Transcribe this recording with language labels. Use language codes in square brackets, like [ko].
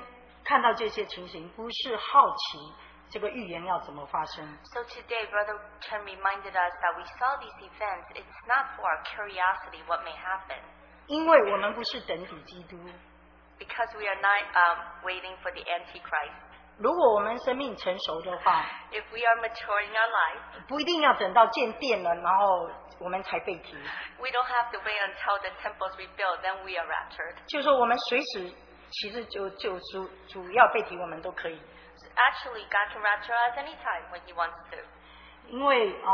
[zh] 但是陈弟兄讲了一点，就是说我们今天看到这些情形，不是好奇。 [en] So today, Brother Chen reminded us that we saw these events. It's not for our curiosity what may happen. Because we are not waiting for the Antichrist. If we are mature in our life, [zh] 不一定要等到建殿了，然后我们才被提。 [en] We don't have to wait until the temple is rebuilt, then we are raptured. [zh] 就是说我们随时其实就主要被提我们都可以。 [en] Actually, God can rapture us anytime when He wants to.